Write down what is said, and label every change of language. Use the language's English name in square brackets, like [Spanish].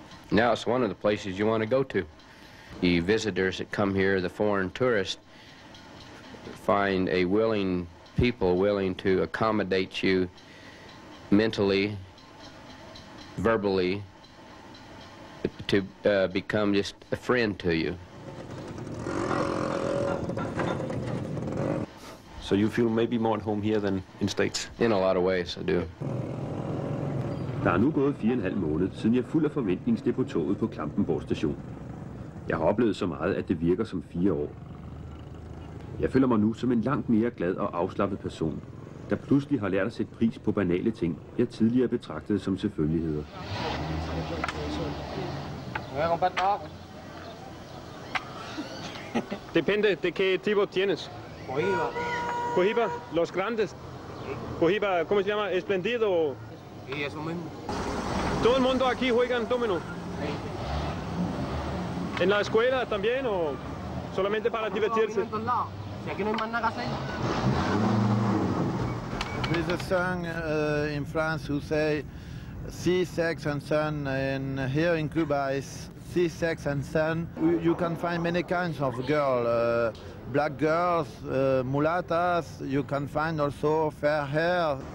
[English] Now it's one of the places you want to go to. The visitors that come here, the foreign tourists, find a willing people, willing to accommodate you mentally, verbally, to become just a friend to you. So you feel maybe more at home here than in States? In a lot of ways, I do. [Danish] Der er nu gået 4,5 måneder, siden jeg fuld af forventning steg på toget på Klampenborg station. Jeg har oplevet så meget, at det virker som 4 år. Jeg føler mig nu som en langt mere glad og afslappet person, der pludselig har lært at sætte pris på banale ting, jeg tidligere betragtede som selvfølgeligheder. [Spanish] Depende, [Danish] det kan [Spanish] tipo tjenes. Cohiba, los grandes. Cohiba, ¿cómo se llama? Esplendido. Y es lo mismo. Todo el mundo aquí juega en domino. ¿En la escuela también o solamente para divertirse? En todos lados. Si aquí no hay más nada que hacer. [English] There's a song in France who say, see sex and sun, and here in Cuba is see sex and sun. You can find many kinds of girl. Black girls, mulattas, you can find also fair hair.